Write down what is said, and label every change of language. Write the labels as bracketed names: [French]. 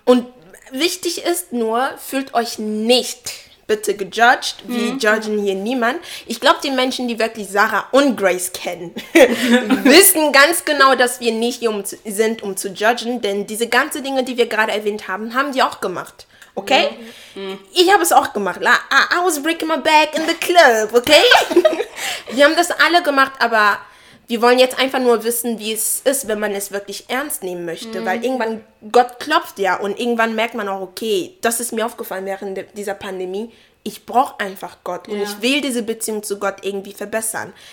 [German] Und wichtig ist nur, fühlt euch nicht bitte gejudged, wir judgen hier niemand. Ich glaube, die Menschen, die wirklich Sarah und Grace kennen, wissen ganz genau, dass wir nicht hier sind, um zu judgen, denn diese ganzen Dinge, die wir gerade erwähnt haben, haben die auch gemacht, okay? Mhm. Ich habe es auch gemacht. [English] I was breaking my back in the club, okay? [German] Wir haben das alle gemacht, aber wir wollen jetzt einfach nur wissen, wie es ist, wenn man es wirklich ernst nehmen möchte. Mhm. Weil irgendwann, Gott klopft ja und irgendwann merkt man auch, okay, das ist mir aufgefallen während dieser Pandemie, ich brauche einfach Gott und ich will diese Beziehung zu Gott irgendwie verbessern.